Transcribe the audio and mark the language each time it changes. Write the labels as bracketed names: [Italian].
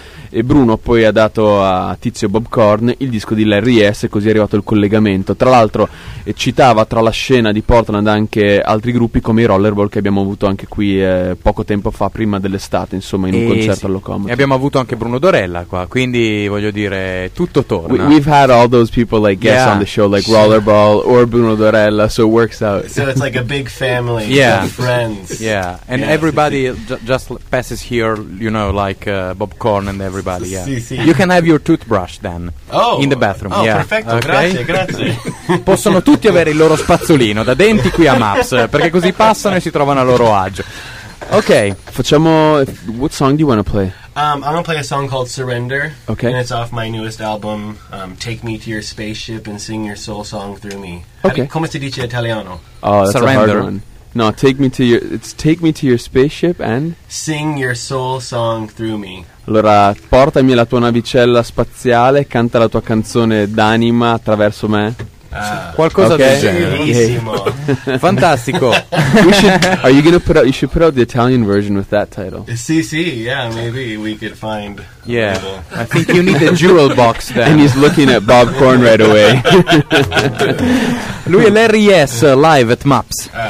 [Italian] E Bruno poi ha dato a Tizio Bob Corn il disco di Larry S, e così è arrivato il collegamento. Tra l'altro, citava tra la scena di Portland anche altri gruppi come i Rollerball, che abbiamo avuto anche qui poco tempo fa, prima dell'estate, insomma, in un concerto al Locomotive. E abbiamo avuto anche Bruno Dorella qua, quindi voglio dire, tutto torna. [English] We've had all those people like guests on the show, like Rollerball or Bruno Dorella, so it works out. So it's like a big family, friends. Yeah, and everybody just passes here, you know, like Bob Corn and everybody. Yeah, you can have your toothbrush then. Oh, in the bathroom. Oh, yeah. [Italian] Perfetto. [English] Okay? [Italian] Grazie. Possono tutti avere il loro spazzolino da denti qui a Maps, perché così passano e si trovano a loro agio. Ok, facciamo. [English] What song do you want to play? I'm gonna play a song called Surrender. Okay. And it's off my newest album, Take Me to Your Spaceship and Sing Your Soul Song Through Me. Okay. [Italian] Come si dice italiano? [English] Oh, that's Surrender. A hard one. No, take me to your spaceship and sing your soul song through me. [Italian] Allora, portami la tua navicella spaziale, canta la tua canzone d'anima attraverso me. Qualcosa del genere. Bellissimo. Fantastico. [English] You should put out the Italian version with that title. Maybe we could find. Yeah, I think you need the jewel box then. And he's looking at Bob Corn right away. [Italian] Lui è Larry Yes, live at Maps.